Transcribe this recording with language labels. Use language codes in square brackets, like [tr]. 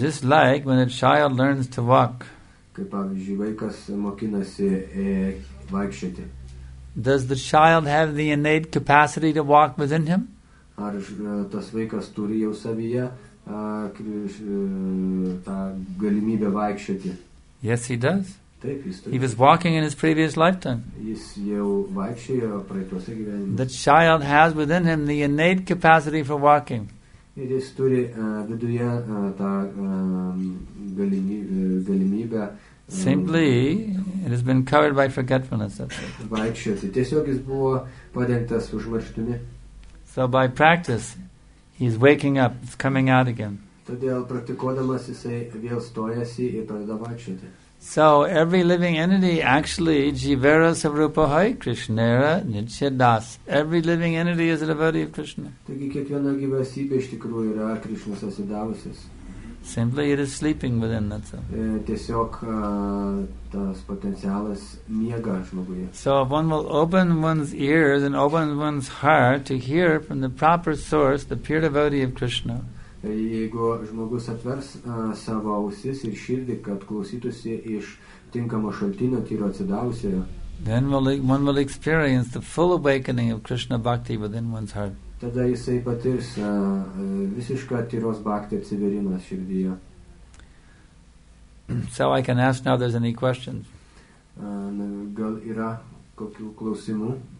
[en] Just like when a child learns to walk. [lt] Kaip pavyzdžiui, vaikas mokinasi vaikščioti. [en] Does the child have the innate capacity to walk within him? [lt] Ar tas vaikas turi jau savyje tą galimybę vaikščioti? [en] Yes, he does. [lt] Taip, jis turi. [en] He was walking in his previous lifetime. [lt] Jis jau vaikščiojo praeituose gyvenime. [en] The child has within him the innate capacity for walking. [lt] Ir jis turi viduje tą galimybę. [en] Simply, it has been covered by forgetfulness. [lt] Vaikščioti. Tiesiog jis buvo padengtas užmarštumi. [en] So by practice, he's waking up, it's coming out again. [lt] Todėl praktikuodamas jisai vėl stojasi ir pradeda vaikščioti. [en] So every living entity actually [bn] jivara svarupa hai krishnera nitya das. [en] Every living entity is a devotee of Krishna. [lt] Taigi kiekviena gyvasybė iš tikrųjų yra Krishnos atsidavusis. [en] Simply it is sleeping within that soul. [lt] Tiesiog tas potencialas miega žmoguje. [en] So if one will open one's ears and open one's heart to hear from the proper source the pure devotee of Krishna. [lt] Jeigu žmogus atvers savo ausis ir širdį, kad klausytųsi iš tinkamo šaltinio tyro atsidavusiojo, [en] then one will experience the full awakening of Krishna bhakti within one's heart. [lt] Tada jisai patirs visišką tyros bhakti atsiverimą širdyje. [en] So I can ask now if there's any questions. [lt] Gal yra kokių klausimų?